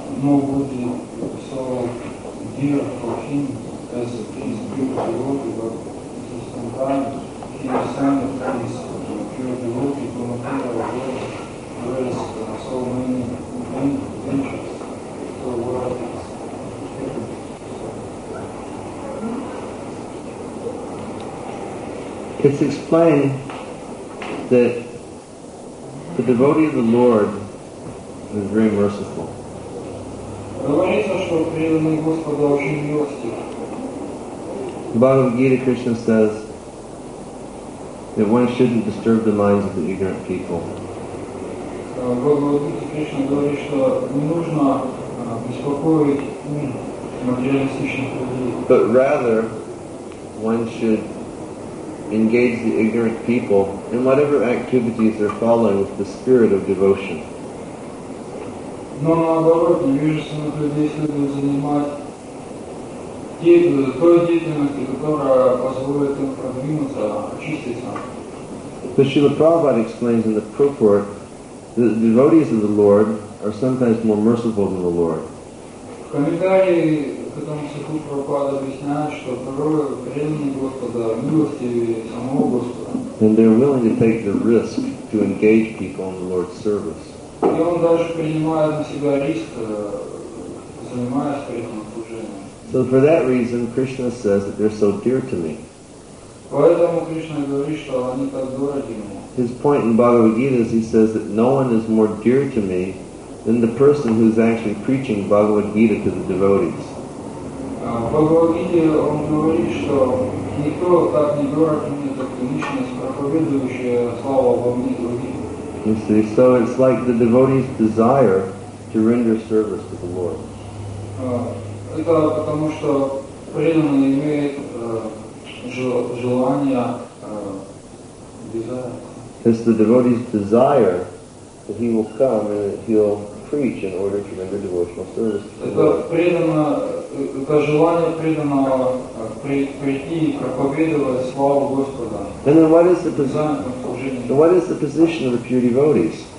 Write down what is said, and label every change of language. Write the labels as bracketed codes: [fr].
[ru] Но Будди писал [en] «Dear for him, as it is beautiful work, but at the same time, he is sending his pure devotee to material world, where is so many adventures, so what is happening?" It's explained that the devotee of the Lord is very merciful. [ru] Говорится, что преданный Господа очень милостив. [en] Bhagavad Gita Krishna says that one shouldn't disturb the minds of the ignorant people. [ru] Bhagavad Gita Krishna говорит, что не нужно беспокоить ум материалистичных людей. [en] But rather, one should engage the ignorant people in whatever activities they're following with the spirit of devotion. [ru] Но наоборот, невежественных людей следует занимать той деятельности, которая позволит им продвинуться, очиститься. [en] But Srila Prabhupada explains in the purport that the devotees of the Lord are sometimes more merciful than the Lord. [ru] В комментарии к этому стиху Прабхупада объясняет, что порой преданные Господа милостивее самого Господа. [en] And they're willing to take the risk to engage people in the Lord's service. [ru] И он даже принимает на себя риск, занимаясь преданным служением. [en] So for that reason, Krishna says that they're so dear to me. [ru] Поэтому Кришна говорит, что они так дороги ему. [en] His point in Bhagavad Gita is he says that no one is more dear to me than the person who's actually preaching Bhagavad Gita to the devotees. [ru] Bhagavad Gita, он говорит, что никто так не дорог мне, как личность, проповедующая слово во мне другим. [en] You see, so it's like the devotees' desire to render service to the Lord. [ru] Это потому, что преданный имеет желание, desire. [en] It's the devotee's desire that he will come and that he'll preach in order to render devotional service. [ru] Это желание преданного прийти и проповедовать славу Господа. [en] And then what is the position of the pure devotees?